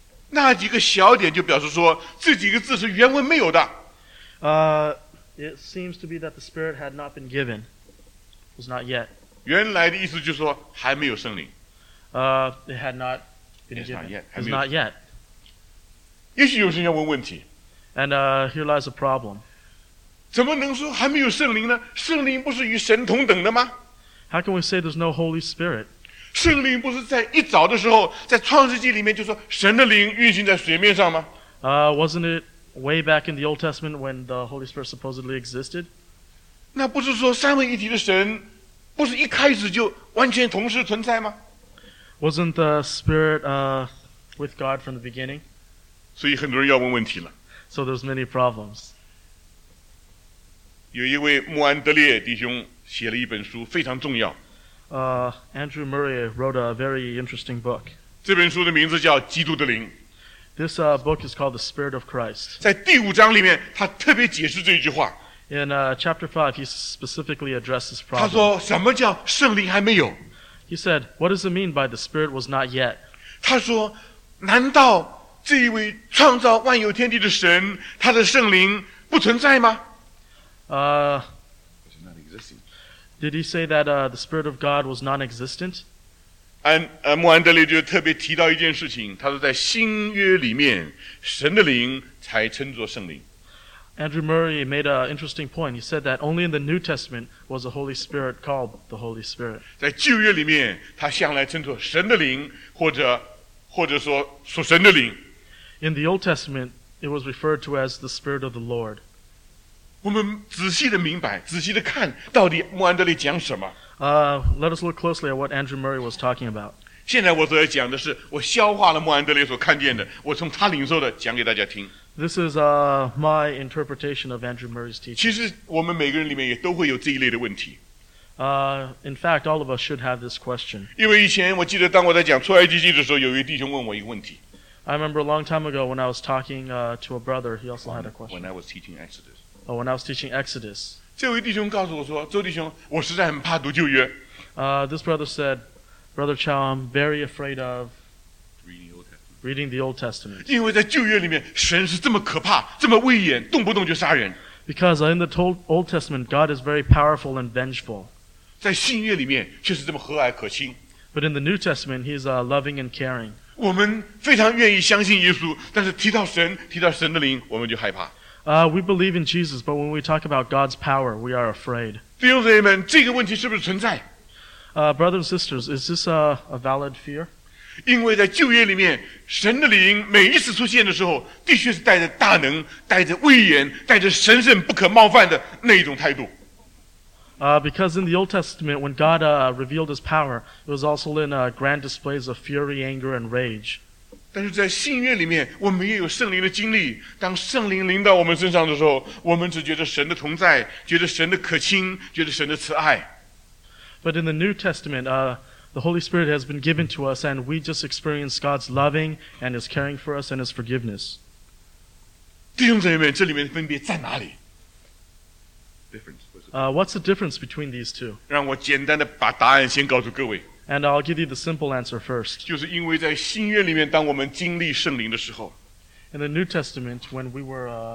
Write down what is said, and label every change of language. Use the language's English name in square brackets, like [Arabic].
[Chinese] 那几个小点就表示说这几个字是原文没有的。 [English] It seems to be that the Spirit had not been given. It was not yet. [Chinese] 原来的意思就是说还没有圣灵。 [English] It had not been given. It's not yet. [Chinese] 也许有些人要问问题。 [English] And here lies a problem. [Chinese] 怎么能说还没有圣灵呢？圣灵不是与神同等的吗？ [English] How can we say there's no Holy Spirit? [Chinese] 圣灵不是在一早的时候在创世纪里面就说神的灵运行在水面上吗？ [English] Wasn't it way back in the Old Testament when the Holy Spirit supposedly existed? [Chinese] 那不是说三位一体的神不是一开始就完全同时存在吗？ [English] Wasn't the Spirit with God from the beginning? [Chinese] 所以很多人要问问题了。 [English] So there's many problems. [Chinese] 有一位穆安德烈弟兄写了一本书非常重要。 [English] Andrew Murray wrote a very interesting book. [Chinese] 这本书的名字叫《基督的灵》。 [English] This book is called The Spirit of Christ. [Chinese] 在第五章里面，他特别解释这句话。 [English] In chapter 5, he specifically addresses problem. [Chinese] 他说什么叫圣灵还没有？ [English] He said, "What does it mean by the Spirit was not yet?" [Chinese] 他说，难道这一位创造万有天地的神，他的圣灵不存在吗？ [English] existing. Did he say that the Spirit of God was non-existent? [Chinese] 穆安德烈就特别提到一件事情，他说在新约里面，神的灵才称作圣灵。 [English] Andrew Murray made an interesting point. He said that only in the New Testament was the Holy Spirit called the Holy Spirit. [Chinese] 在旧约里面，他向来称作神的灵，或者说属神的灵。 [English] In the Old Testament, it was referred to as the Spirit of the Lord. [Chinese] 我们仔细的明白，仔细的看到底穆安德烈讲什么。 [English] Let us look closely at what Andrew Murray was talking about. [Chinese] 现在我所要讲的是，我消化了穆安德烈所看见的，我从他领受的讲给大家听。 [English] This is my interpretation of Andrew Murray's teaching. [Chinese] 其实我们每个人里面也都会有这一类的问题。 [English] In fact, all of us should have this question. [Chinese] 因为以前我记得当我在讲出埃及记的时候，有一位弟兄问我一个问题。 [English] I remember a long time ago when I was talking to a brother, he also had a question. When I was teaching Exodus. Oh, when I was teaching Exodus. [Chinese] 这位弟兄告诉我说，周弟兄，我实在很怕读旧约。 [English] This brother said, Brother Chow, I'm very afraid of reading the Old Testament. [Chinese] 因为在旧约里面，神是这么可怕，这么威严，动不动就杀人。 [English] Because in the Old Testament, God is very powerful and vengeful. [Chinese] 在新约里面，却是这么和蔼可亲。 [English] But in the New Testament, he's loving and caring. [Chinese] 我们非常愿意相信耶稣，但是提到神，提到神的灵，我们就害怕。 [English] We believe in Jesus, but when we talk about God's power, we are afraid. [Chinese] 弟兄姊妹们，这个问题是不是存在？ [English] Brothers and sisters, is this a valid fear? [Chinese] 因为在旧约里面，神的灵每一次出现的时候，的确是带着大能，带着威严，带着神圣不可冒犯的那一种态度。 [English] Because in the Old Testament, when God revealed his power, it was also in grand displays of fury, anger, and rage. [Chinese] 但是在新约里面，我们也有圣灵的经历。当圣灵临到我们身上的时候，我们只觉得神的同在，觉得神的可亲，觉得神的慈爱。 [English] But in the New Testament, the Holy Spirit has been given to us, and we just experience God's loving and His caring for us and His forgiveness. [Chinese] 弟兄姊妹们，这里面分别在哪里 [English] ？Difference. What's the difference between these two? [Chinese] 让我简单的把答案先告诉各位。 [English] And I'll give you the simple answer first. [Chinese] 就是因为在新约里面，当我们经历圣灵的时候 [English] ，In the New Testament, when we were